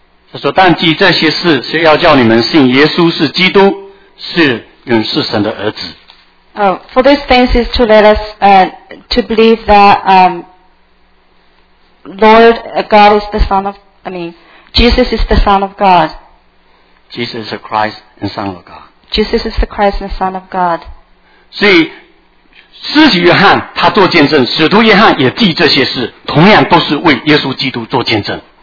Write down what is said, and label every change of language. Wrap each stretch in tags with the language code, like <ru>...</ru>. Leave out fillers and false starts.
<zh>他说：“但记这些事，是要叫你们信耶稣是基督，是永世神的儿子。”</zh> <en>For these things is to let us to believe that Lord God is the Son of, Jesus is the Son of God. Jesus is the Christ and Son of God. Jesus is the Christ and the Son of God.</en> <zh>所以施洗约翰他做见证，使徒约翰也记这些事，同样都是为耶稣基督做见证。</zh>